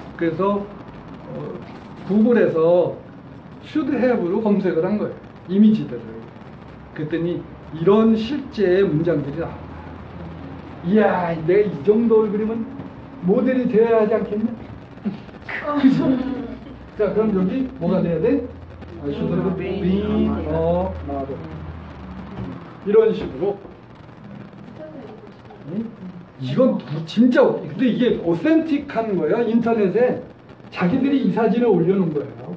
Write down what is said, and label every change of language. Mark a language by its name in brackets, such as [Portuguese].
[Korean] 그래서 구글에서 should have로 검색을 한 거예요. 이미지들을. 그랬더니 이런 실제의 문장들이 나와. 이야, 내가 이 정도 얼굴이면 모델이 되어야 하지 않겠냐? 그죠? 자, 그럼 여기 뭐가 돼야 돼? [English] should have been a model. [Korean] 이런 식으로. 이건 진짜 근데 이게 오센틱한 거예요. 인터넷에 자기들이 이 사진을 올려놓은 거예요.